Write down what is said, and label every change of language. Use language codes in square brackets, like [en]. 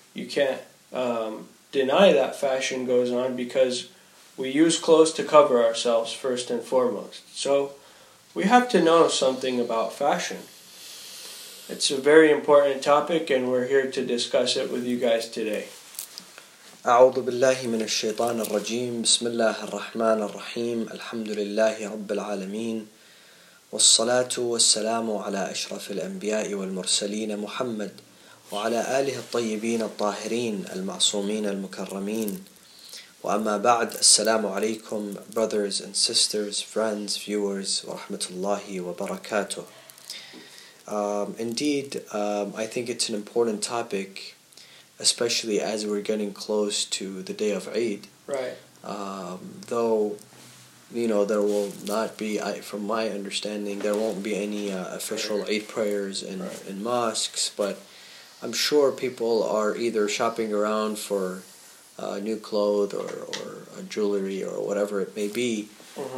[en] You can't deny that fashion goes on because we use clothes to cover ourselves first and foremost. So, we have to know something about fashion. It's a very important topic and we're here to discuss it with you guys today. [ar] أعوذ بالله من الشيطان الرجيم بسم الله الرحمن الرحيم الحمد لله رب العالمين والصلاة والسلام على أشرف الأنبياء والمرسلين محمد وعلى آله الطيبين الطاهرين المعصومين المكرمين وأما بعد السلام عليكم [en] brothers and sisters, friends, viewers [ar] ورحمة الله وبركاته. [en] I think it's an important topic, especially as we're getting close to the day of Eid. Right. Though, you know, there will not be, from my understanding, there won't be any official Eid prayers in mosques, but I'm sure people are either shopping around for new clothes or jewelry or whatever it may be. Mm-hmm.